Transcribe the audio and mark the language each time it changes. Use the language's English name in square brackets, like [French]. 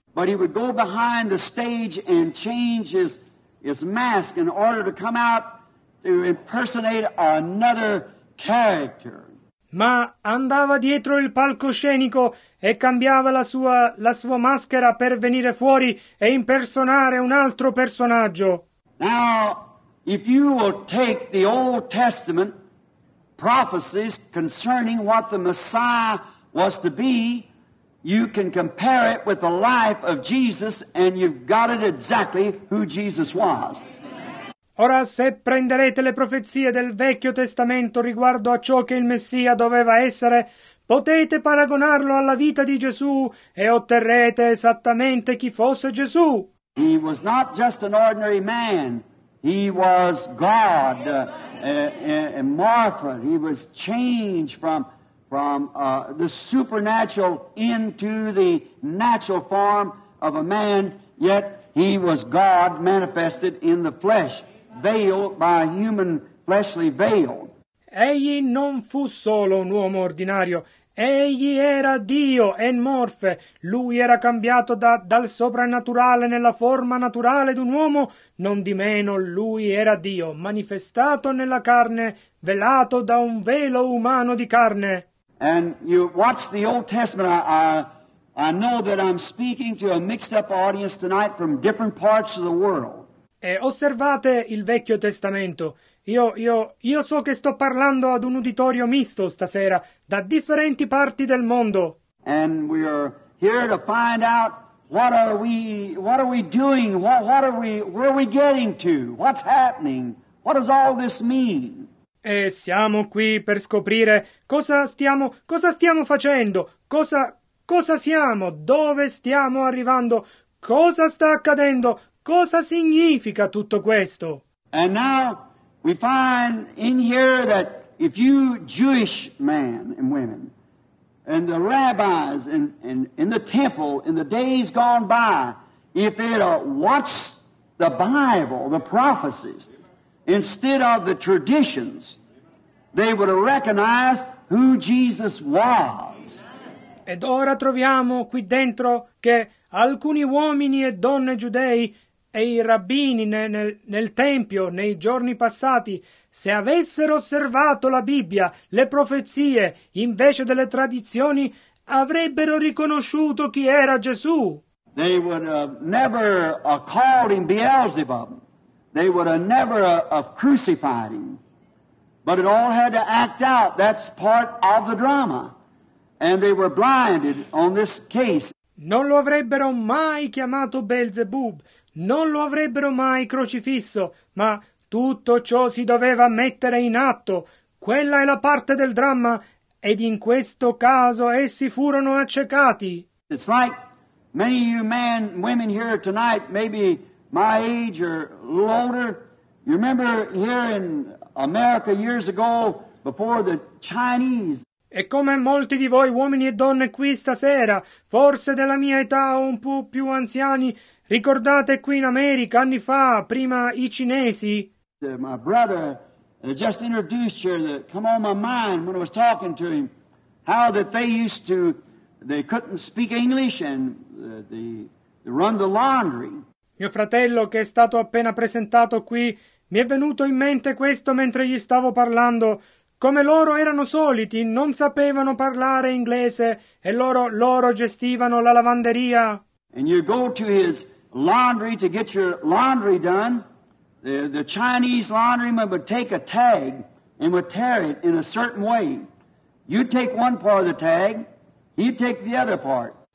[English] But he would go behind the stage and change his mask in order to come out to impersonate another character. [Italian] Ma andava dietro il palcoscenico e cambiava la sua maschera per venire fuori e impersonare un altro personaggio. [English] Now, if you will take the Old Testament prophecies concerning what the Messiah was to be, you can compare it with the life of Jesus and you've got it exactly who Jesus was. [Italian] Ora, se prenderete le profezie del Vecchio Testamento riguardo a ciò che il Messia doveva essere, potete paragonarlo alla vita di Gesù e otterrete esattamente chi fosse Gesù. [English] He was not just an ordinary man. He was God. Amorphed. He was changed from the supernatural into the natural form of a man. Yet he was God manifested in the flesh, veiled by a human fleshly veil. [Italian] Egli non fu solo un uomo ordinario. Egli era Dio, enmorfe. Lui era cambiato dal soprannaturale nella forma naturale d'un uomo. Non di meno, lui era Dio, manifestato nella carne, velato da un velo umano di carne. [English] And you watch the Old Testament. I know that I'm speaking to a mixed up audience tonight from different parts of the world. [Italian] E osservate il Vecchio Testamento. Io so che sto parlando ad un uditorio misto stasera, da differenti parti del mondo. [English] And we are here to find out what are we doing? Where are we getting to? What's happening? What does all this mean? [Italian] E siamo qui per scoprire cosa stiamo facendo? Cosa siamo? Dove stiamo arrivando? Cosa sta accadendo? Cosa significa tutto questo? [English] And now we find in here that if you Jewish men and women and the rabbis and in the temple in the days gone by, if they'd watch the Bible, the prophecies, instead of the traditions, they would recognize who Jesus was. [Italian] Ed ora troviamo qui dentro che alcuni uomini e donne giudei e i rabbini nel tempio nei giorni passati, se avessero osservato la Bibbia, le profezie, invece delle tradizioni, avrebbero riconosciuto chi era Gesù. [English] They would have never called him Beelzebub. They would have never have crucified him. But it all had to act out. That's part of the drama. And they were blinded on this case. [Italian] Non lo avrebbero mai chiamato Beelzebub. Non lo avrebbero mai crocifisso, ma tutto ciò si doveva mettere in atto. Quella è la parte del dramma, ed in questo caso essi furono accecati. [English] It's like many of you men, women here tonight, maybe my age or a little older. You remember here in America years ago, before the Chinese. [Italian] E come molti di voi uomini e donne qui stasera, forse della mia età o un po' più anziani, ricordate qui in America anni fa, prima i cinesi. [English] My brother just introduced here that come on my mind when I was talking to him, how that they used to, they couldn't speak English and they run the laundry. [Italian] Mio fratello che è stato appena presentato qui, mi è venuto in mente questo mentre gli stavo parlando. Come loro erano soliti, non sapevano parlare inglese e loro gestivano la lavanderia. [English] And you go to his laundry to get your laundry done. The Chinese laundryman would take a tag and would tear it in a certain way. You take one part of the tag, he'd take the other part.